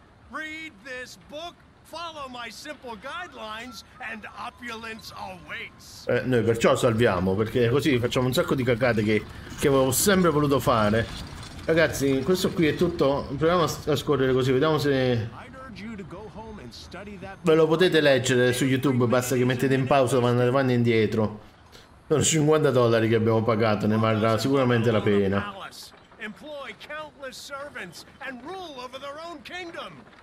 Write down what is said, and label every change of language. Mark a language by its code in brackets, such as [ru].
[en] Read this book, follow my simple guidelines and opulence awaits. [it] Noi perciò salviamo, perché così facciamo un sacco di cagate che avevo sempre voluto fare. Ragazzi, questo qui è tutto. Proviamo a scorrere così, vediamo se ve lo potete leggere su YouTube. Basta che mettete in pausa, andate avanti e indietro. Sono $50 che abbiamo pagato, ne varrà sicuramente la pena. [en] Employ countless servants and rule over their own kingdom.